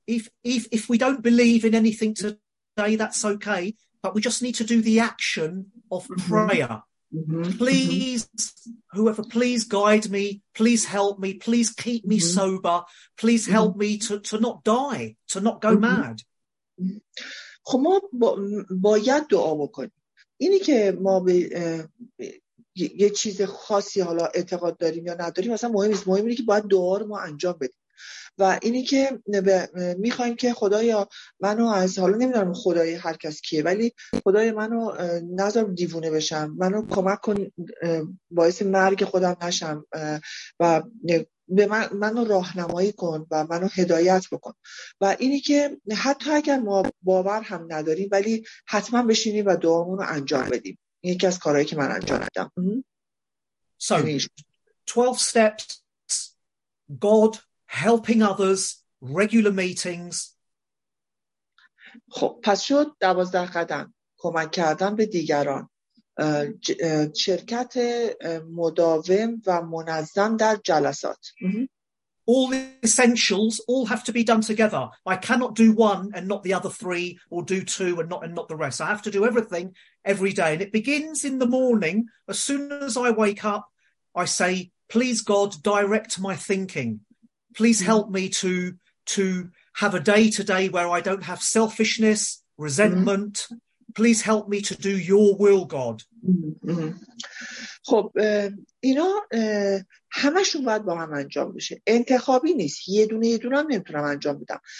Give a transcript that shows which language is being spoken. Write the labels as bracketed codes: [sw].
[en] If we don't believe in anything today, that's okay, but we just need to do the action of prayer. Please guide me, please help me, please keep me sober, please help me to not die, to not go mad. [fa] خب ما باید دعا بکنیم. اینی که ما به یه چیز خاصی حالا اعتقاد داریم یا نداریم مثلا مهم نیست، مهم اینه که باید دعا رو ما انجام بدیم و اینی که میخوایم که خدایا منو از حالا نمیدونم خدای هر کس کیه ولی خدای منو نذار دیوونه بشم، منو کمک کن باعث مرگ خودم نشم و به منو راهنمایی کن و منو هدایت بکن. و اینی که حتی اگر ما باور هم نداریم ولی حتما بشینیم و دعامونو انجام بدیم، یکی از کارهایی که من انجام دادم. [en] So, 12 steps, God helping others, regular meetings. [fa] خب پس شد 12 قدم، کمک کردن به دیگران، شرکت مداوم و منظم در جلسات. [en] All the essentials all have to be done together. I cannot do one and not the other three, or do two and not the rest. I have to do everything every day. And it begins in the morning. As soon as I wake up, I say, please God, direct my thinking. Please help me to have a day today where I don't have selfishness, resentment. Please help me to do your will, God. [fa] خب اینا همشون باید با هم انجام بشه، انتخابی نیست، یه دونه یه دونه هم نمیتونم انجام بدم.